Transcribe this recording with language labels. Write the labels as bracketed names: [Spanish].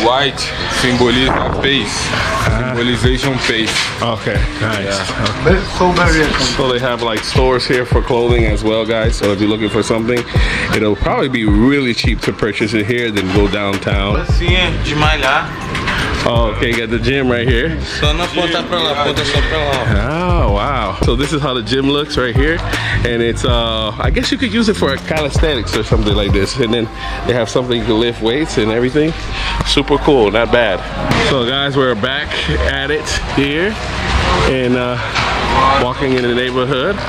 [English] White symbolizes peace. Symbolization peace. Okay, nice. Yeah. Okay. So very awesome. So they have like stores here for clothing as well, guys. So if you're looking for something, it'll probably be really cheap to purchase it here than go downtown. [Portuguese] Sim, de malhar. [English] Oh, okay, got the gym right here. [Portuguese] Só na ponta pra lá, ponta só pra lá. [English] Oh, wow. So this is how the gym looks right here. And it's, I guess you could use it for calisthenics or something like this. And then they have something you can lift weights and everything. Super cool, not bad. So guys, we're back at it here. And walking in the neighborhood.